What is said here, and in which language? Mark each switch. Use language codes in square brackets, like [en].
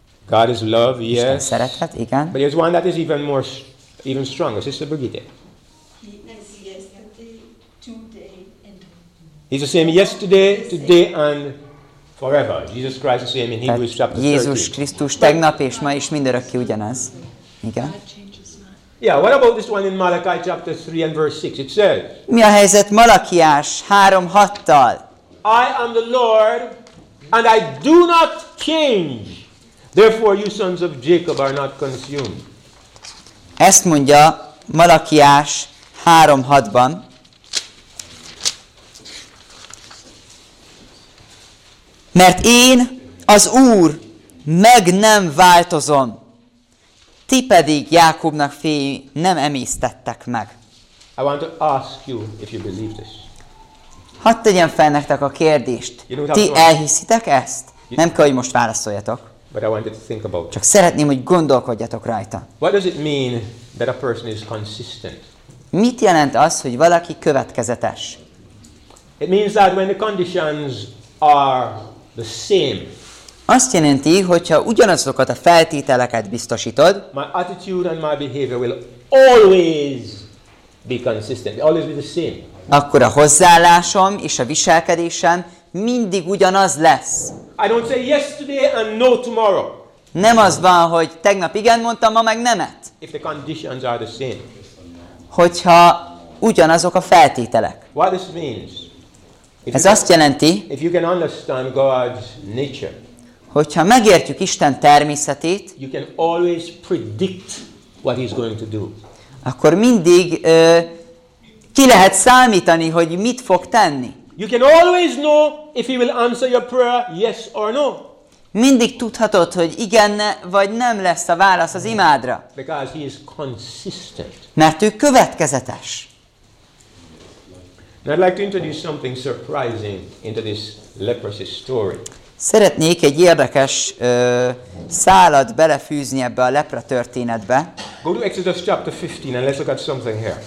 [en] God is love, yes. [hu] Isten szeretet, igen. [en] But there's one that is even stronger. Sister Brigitte. He is yesterday, today, and. He's the same yesterday, today, and forever. Jesus Christ is the same in Hebrews chapter 13. [hu] Jézus Krisztus tegnap és ma is mindörökké ugyanaz. Igen. [en] Yeah, what about this one in Malachi chapter 3 and verse 6? It says. [hu] Mi a helyzet Malakiás 3:6-tal? [en] I am the Lord, and I do not change. Therefore, you sons of Jacob are not consumed. [hu] Ezt mondja Malakiás 3:6-ban. Mert én, az Úr, meg nem változom. Ti pedig, Jákobnak fiai, nem emésztettek meg. [en] I want to ask you if you believe this. [hu] Hadd tegyem fel nektek a kérdést. Ti elhiszitek ezt? Nem kell, hogy most válaszoljatok. [en] But I wanted to think about. [hu] Csak szeretném, hogy gondolkodjatok rajta. [en] What does it mean that a person is consistent? [hu] Mit jelent az, hogy valaki következetes? [en] It means that when the conditions are the same. [hu] Azt jelenti, hogyha ugyanazokat a feltételeket biztosítod, [en] my attitude and my behavior will always be consistent. Always be the same. [hu] Akkor a hozzáállásom és a viselkedésem mindig ugyanaz lesz. [en] I don't say yesterday and no tomorrow. [hu] Nem az van, hogy tegnap igen mondtam, ma meg nemet. [en] If the conditions are the same. [hu] Hogyha ugyanazok a feltételek. [en] What this means [hu] Ez azt jelenti, [en] if you can understand God's nature, [hu] hogyha megértjük Isten természetét, [en] you can always predict what he's going to do. [hu] Akkor mindig ki lehet számítani, hogy mit fog tenni. [en] You can always know if he will answer your prayer yes or no. [hu] Mindig tudhatod, hogy igen vagy nem lesz a válasz az imádra. [en] Because he is consistent. [hu] Mert ő következetes. [en] Now I'd like to introduce something surprising into this leprosy story. [hu] Szeretnék egy érdekes szálat belefűzni ebbe a lepra történetbe. [en] Go to Exodus chapter 15 and let's look at something here.